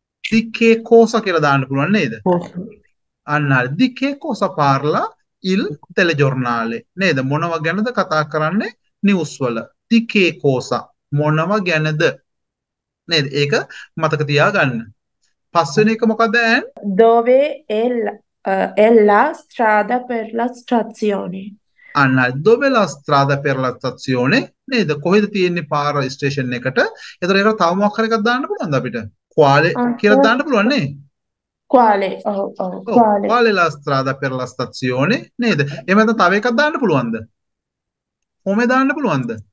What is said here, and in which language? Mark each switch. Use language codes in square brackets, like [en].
[si] දිකේ කෝසා කියලා දාන්න පුළුවන් නේද අන්න හරි දිකේ කෝසා පාර්ලා ඉල් තෙලෙ ජොර්නාලෙ නේද මොනව ගැනද කතා කරන්නේ නිවුස් වල දිකේ කෝසා මොනව ගැනද නේද ඒක මතක තියාගන්න පස්වෙනි එක මොකද ඈන් [it] Dove è la strada per la stazione? [si] අන්න [it] dove la strada per la stazione [si] නේද කොහෙද තියෙන්නේ පාර ස්ටේෂන් එකට ඒතර ඒක තව මොකක් හරි එකක් දාන්න පුළුවන්ද අපිට quale කියලා දාන්න පුළුවන් නේ [it] Quale? Oh, [si] ඔව් [it] quale? quale la strada per la stazione [si] නේද එහෙම නැත්නම් තව එකක් දාන්න පුළුවන්ද කොහොමද දාන්න පුළුවන්ද